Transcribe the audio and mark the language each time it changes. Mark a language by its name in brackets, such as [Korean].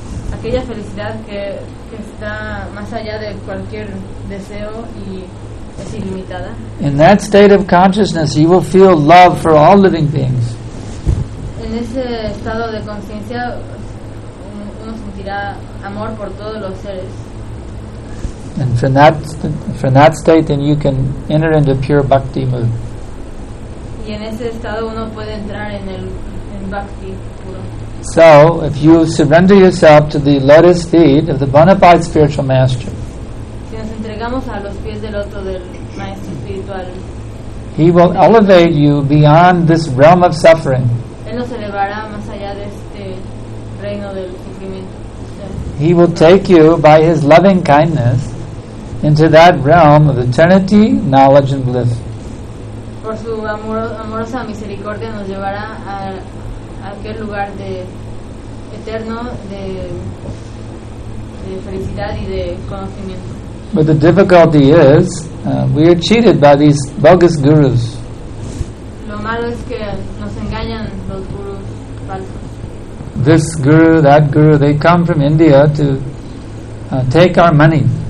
[Spanish] Aquella felicidad que está más allá de cualquier deseo y es ilimitada. [English] In that state of consciousness, you will feel love for all living beings. [Spanish] En ese estado de conciencia, uno sentirá amor por todos los seres. [English] And from that state, then you can enter into pure bhakti mood. [Spanish] Y en ese estado uno puede entrar en bhakti puro. [English] So, if you surrender yourself to the lotus feet of the bona fide spiritual master, [Spanish] si nos entregamos a los pies del loto del maestro espiritual, [English] he will elevate you beyond this realm of suffering. [Spanish] Él nos elevará más allá de este reino del sufrimiento. [English] He will take you by his loving kindness into that realm of eternity, knowledge, and bliss. [Spanish] Por su amorosa misericordia nos llevará a aquel lugar de eterno de felicidad y de conocimiento. [English] But the difficulty is, we are cheated by these bogus gurus. [Spanish] Lo malo es que nos engañan los gurus falsos. [English] This guru, that guru, they come from India to take our money.